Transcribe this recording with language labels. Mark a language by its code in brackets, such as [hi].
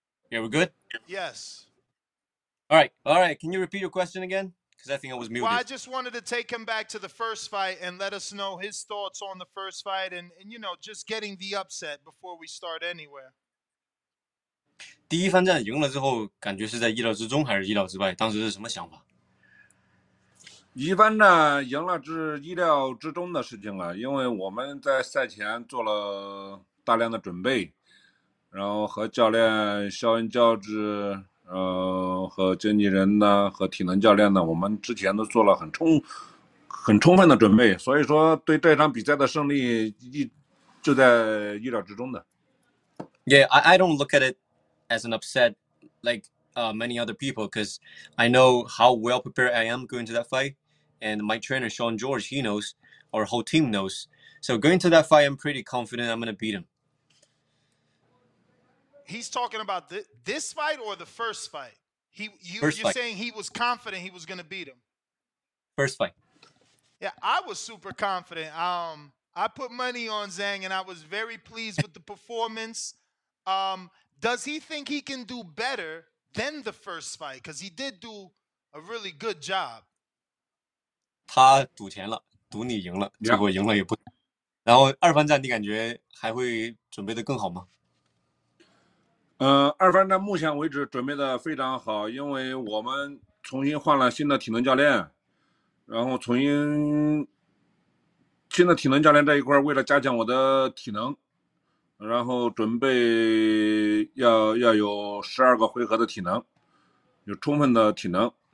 [en] Yeah, we're good? Yes. All right. Can you repeat your question again? Because I think I was muted. Well, I just wanted to take him back to the first fight and let us know his thoughts on the first fight and you know, just getting the upset before we start anywhere. [zh] 第一番战赢了之后, 感觉是在意料之中还是意料之外? 当时是什么想法? 一番战赢了是意料之中的事情了, 因为我们在赛前做了大量的准备, 然后和教练肖恩教治，和经纪人呢，和体能教练呢，我们之前都做了很充分的准备，所以说对这场比赛的胜利就在意料之中的。 [en] Yeah, I don't look at it as an upset like many other people, because I know how well prepared I am going to that fight, and my trainer Sean George, he knows, our whole team knows. So going to that fight, I'm pretty confident I'm going to beat him. He's talking about this fight or the first fight? You're saying he was confident he was going to beat him. First fight. Yeah, I was super confident. I put money on Zhang, and I was very pleased with the performance. Does he think he can do better than the first fight? Because he did do a really good job. [zh] 他赌钱了，赌你赢了，结果赢了也不。然后二番战，你感觉还会准备的更好吗？二番战目前为止准备的非常好，因为我们重新换了新的体能教练，然后重新新的体能教练这一块，为了加强我的体能，然后准备要有12个回合的体能，有充分的体能。